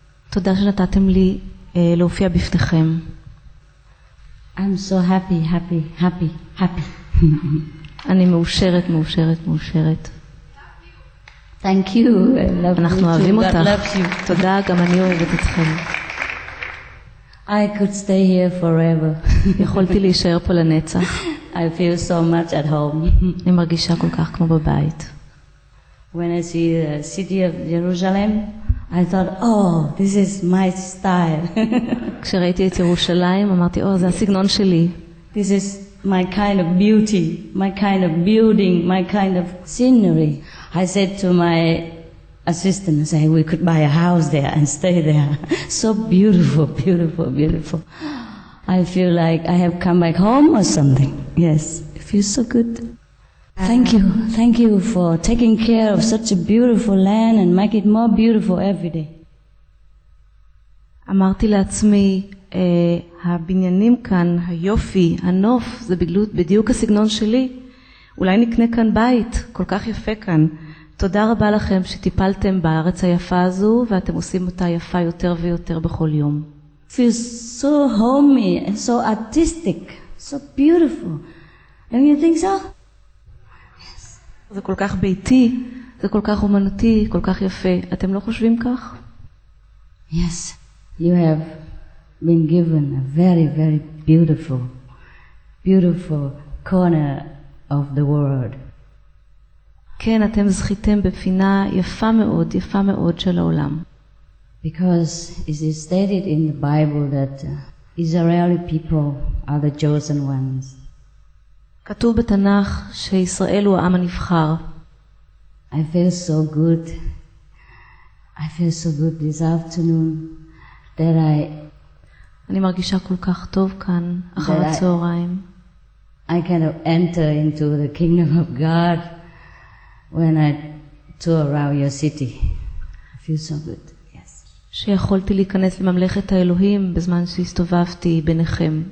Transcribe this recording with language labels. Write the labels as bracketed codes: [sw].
[he] תודה שנתתם לי להופיע בפניכם. [en] I'm so happy, happy, happy, happy. [he] אני מאושרת, מאושרת, מאושרת. [en] Thank you. [he] אנחנו אוהבים אותך. תודה, גם אני אוהבת אתכם. [en] I could stay here forever. [he] יכולתי להישאר פה לנצח. [en] I feel so much at home. [he] אני מרגישה כל כך כמו בבית. [en] When I see the city of Jerusalem, I thought, "Oh, this is my style." [he] כשראיתי את ירושלים, אמרתי, "Oh, זה הסגנון שלי." [en] This is my kind of beauty, my kind of building, my kind of scenery. I said to my assistant, "Say we could buy a house there and stay there. So beautiful, beautiful, beautiful. I feel like I have come back home or something." Yes, it feels so good. Thank you. Thank you for taking care of such a beautiful land and make it more beautiful every day. [he] אמרתי לעצמי, הבניינים כאן, היופי, הנוף, זה בדיוק הסגנון שלי. אולי נקנה כאן בית, כל כך יפה כאן. תודה רבה לכם שטיפלתם בארץ היפה הזו, ואתם עושים אותה יפה יותר ויותר בכל יום. [en] It feels so homey and so artistic, so beautiful. Don't you think so? [he] זה כל כך ביתי, זה כל כך אומנותי, כל כך יפה. אתם לא חושבים כך? [en] Yes, you have been given a very, very beautiful, beautiful corner of the world. [he] כן, אתם זכיתם בפינה יפה מאוד, יפה מאוד של העולם. [en] Because it is stated in the Bible that Israeli people are the chosen ones. [he] כתוב בתנך שישראל הוא העם הנבחר. [en] I feel so good. I feel so good this afternoon that I [he] אני מרגישה כל כך טוב כאן אחר הצהריים. [en] I kind of enter into the kingdom of God when I tour around your city. I feel so good. Yes. [he] שיכולתי להיכנס לממלכת האלוהים בזמן שהסתובבתי ביניכם.